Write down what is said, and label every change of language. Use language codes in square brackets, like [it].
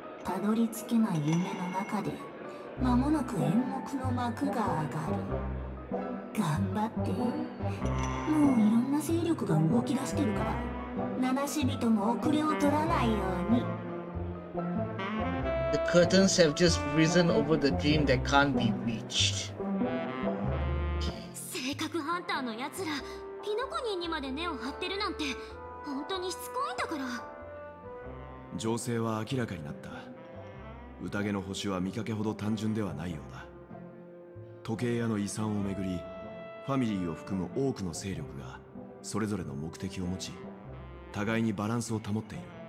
[ja] たどり着けない夢の中で、間もなく演目の幕が上がる。頑張って。もういろんな勢力が動き出してるから、七死人も遅れを取らないように。 [en] The curtains have just risen over the dream that can't be reached. [ja] 性格ハンターの奴ら、ピノコニーにまで根を張ってるなんて、本当にしつこいんだから。情勢は明らかになった。宴の星は見かけほど単純ではないようだ。時計屋の遺産をめぐり、ファミリーを含む多くの勢力が、それぞれの目的を持ち、互いにバランスを保っている。